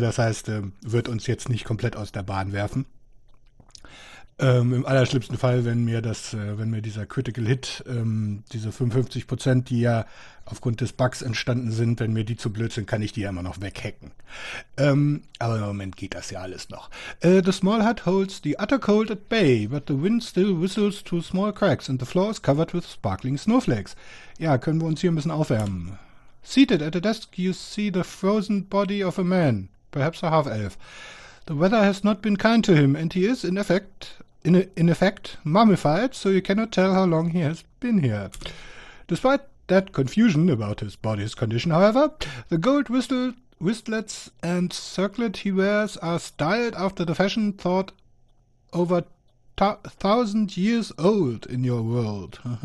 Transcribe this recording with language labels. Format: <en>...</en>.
<de>Das heißt, wird uns jetzt nicht komplett aus der Bahn werfen. Im allerschlimmsten Fall, wenn mir dieser Critical Hit, diese 55%, die ja aufgrund des Bugs entstanden sind, wenn mir die zu blöd sind, kann ich die ja immer noch weghacken. Aber im Moment geht das ja alles noch.</de> <en>The small hut holds the utter cold at bay, but the wind still whistles through small cracks and the floor is covered with sparkling snowflakes.</en> <de>Ja, können wir uns hier ein bisschen aufwärmen.</de> <en>Seated at a desk, you see the frozen body of a man, perhaps a half elf. The weather has not been kind to him, and he is in effect mummified, so you cannot tell how long he has been here. Despite that confusion about his body's condition, however, the gold wristlets and circlet he wears are styled after the fashion thought over 1,000 years old in your world.</en>